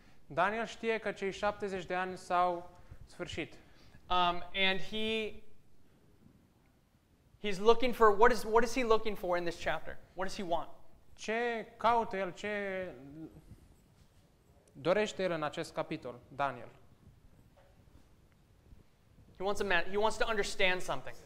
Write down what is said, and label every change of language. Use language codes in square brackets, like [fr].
[ro] Daniel știe că cei 70 de ani s-au sfârșit. [en] And he's looking for what is he looking for in this chapter? What does he want? [ro] Ce caută el? Ce dorește el în acest capitol, Daniel? [en] He wants to understand something.